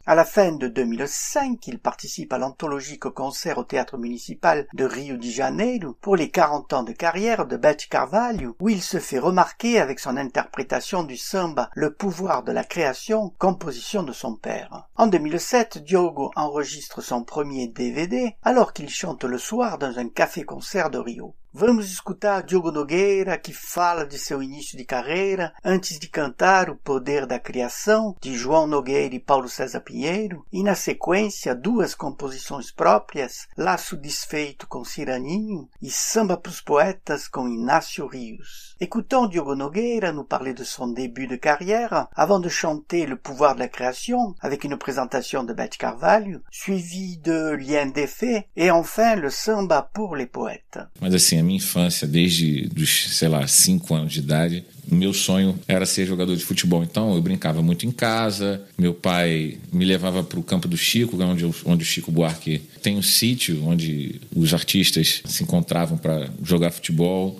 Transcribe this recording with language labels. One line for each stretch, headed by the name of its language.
French: À la fin de 2005, il participe à l'anthologique concert au théâtre municipal de Rio de Janeiro pour les 40 ans de carrière de Beth Carvalho, où il se fait remarquer avec son interprétation du samba « Le pouvoir de la création », composition de son père. En 2007, Diogo enregistre son premier DVD alors qu'il chante le soir dans un café-concert de Rio.
Portuguese: Vamos escutar Diogo Nogueira, que fala de seu início de carreira, antes de cantar O Poder da Criação, de João Nogueira e Paulo César Pinheiro, e na sequência, duas composições próprias, Laço Desfeito com Ciraninho e Samba para os Poetas com Inácio Rios.
French: Écoutons Diogo Nogueira nous parler de son début de carrière, avant de chanter Le Pouvoir de la Création, avec une présentation de Beth Carvalho, suivi de Lien des Fées, et enfin le Samba pour les Poètes.
Portuguese: Assim, a minha infância, desde dos, sei lá, 5 anos de idade, meu sonho era ser jogador de futebol. Então, eu brincava muito em casa. Meu pai me levava para o Campo do Chico, onde o Chico Buarque tem um sítio onde os artistas se encontravam para jogar futebol.